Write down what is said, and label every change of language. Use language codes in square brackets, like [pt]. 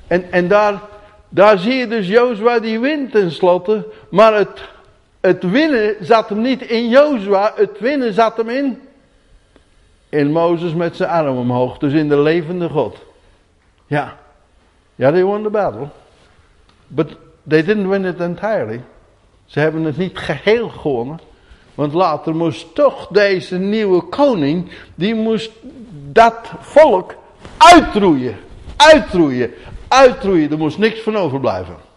[nl] En daar zie je dus Jozua die wint tenslotte, maar het winnen zat hem niet in Jozua, het winnen zat hem in Mozes met zijn arm omhoog, dus in de levende God. [en] Ja, ja, they won the battle, but they didn't win it entirely. [nl] Ze hebben het niet geheel gewonnen, want later moest toch deze nieuwe koning, die moest dat volk uitroeien, er moest niks van overblijven.